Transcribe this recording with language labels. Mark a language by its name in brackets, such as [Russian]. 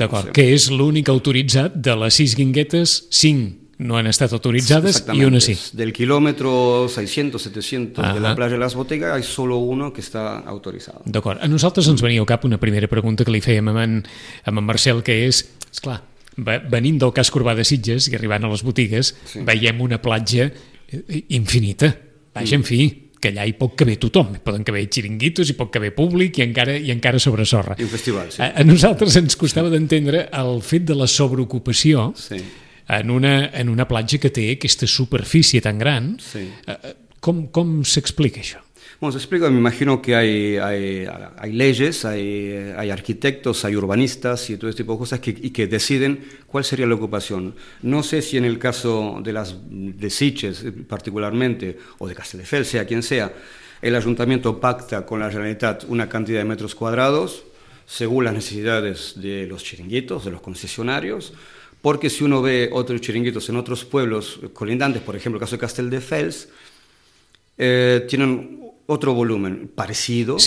[Catalan] D'acord, sí. Que és l'únic autoritzat de les 6 guinguetes, 5 no han estat autoritzades i una sí. [Spanish] Del quilòmetre 600, 700 de la platja de las botigues, hay solo uno que está autorizado. [Catalan] D'acord, a nosaltres ens venia al cap una primera pregunta que li fèiem a en Marcel, que és, esclar, venint del casc urbà de Sitges i arribant a les botigues, sí, veiem una platja infinita. Vaja, en fi, que allà hi pot caber tothom. Poden caber xiringuitos, hi pot caber públic i encara sobre sorra. I un festival, sí. A nosaltres ens costava d'entendre el fet de la sobreocupació, sí, en una platja que té aquesta superfície tan gran. Sí. Com s'explica això? [Spanish] Bueno, se explica, me imagino que hay leyes, hay arquitectos, hay urbanistas y todo este tipo de cosas que deciden cuál sería la ocupación. No sé si en el caso de Sitges particularmente, o de Castelldefels, sea quien sea, el ayuntamiento pacta con la Generalitat una cantidad de metros cuadrados según las necesidades de los chiringuitos, de los concesionarios, porque si uno ve otros chiringuitos en otros pueblos colindantes, por ejemplo el caso de Castelldefels, tienen otro volumen parecido,